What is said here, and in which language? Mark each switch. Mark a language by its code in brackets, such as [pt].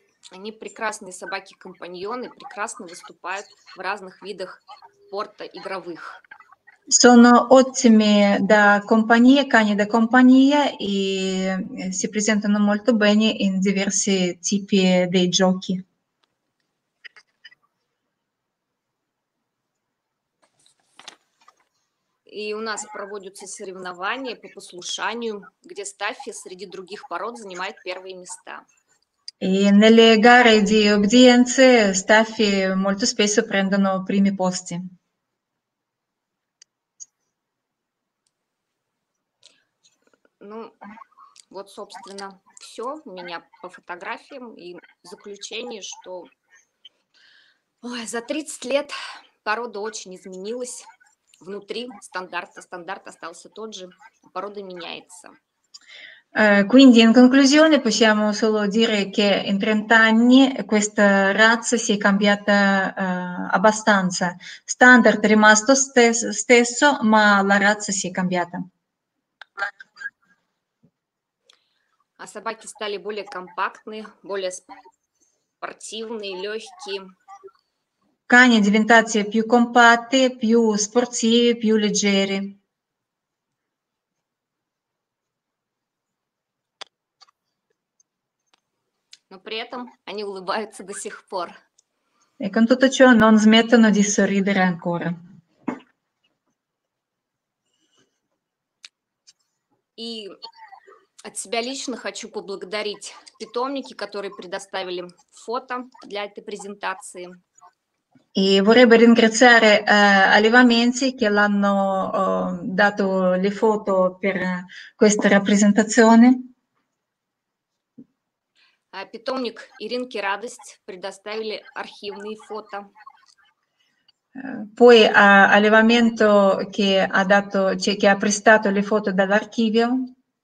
[ru] Они прекрасные собаки-компаньоны, прекрасно выступают в разных видах спорта игровых. [it] Sono ottimi da compagnia, cani da compagnia e si presentano molto bene in diversi tipi dei giochi. [ru] И у нас проводятся соревнования по послушанию, где Стаффи среди других пород занимает первые места. [it] E nelle gare di obbedienza, Staffi molto spesso prendono primi posti. [ru] Ну, вот, собственно, все у меня по фотографиям и в заключении, что ой, за 30 лет порода очень изменилась внутри стандарта. Стандарт остался тот же, порода меняется. [it] Quindi, in conclusione, possiamo solo dire che in 30 anni questa razza si è cambiata abbastanza. Standard è rimasto stesso, ma la razza si è cambiata. [ru] А собаки стали более компактные, более спортивные, легкие. [it] Cani diventati più compatti, più sportivi, più leggeri. [ru] Но при этом они улыбаются до сих пор. [it] E con tutto ciò non smettono di sorridere ancora. [ru] И от себя лично хочу поблагодарить питомники, которые предоставили фото для этой презентации. [it] E vorrebbe ringraziare Allevamenti che l'hanno dato le foto per questa rappresentazione. [ru] Питомник Иринки Радость предоставили архивные фото. [it] Poi Allevamento che ha dato, cioè, che ha prestato le foto dall'archivio.